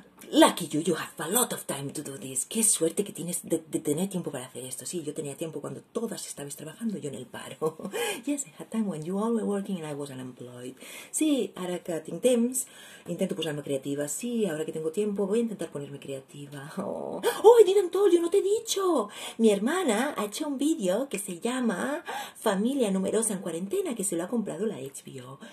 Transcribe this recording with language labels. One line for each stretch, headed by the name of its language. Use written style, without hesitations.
English: lucky you, you have a lot of time to do this.
Spanish: Qué suerte que tienes de tener tiempo para hacer esto. Sí, yo tenía tiempo cuando todas estabais trabajando, yo en el paro.
English: Yes, I had time when you all were working and I was unemployed.
Spanish: Sí, ahora que tengo temps, intento posarme creativa. Sí, ahora que tengo tiempo, voy a intentar ponerme creativa.
English: Oh, I didn't tell you,
Spanish: no te he dicho. Mi hermana ha hecho un vídeo que se llama Familia numerosa en cuarentena, que se lo ha comprado la HBO.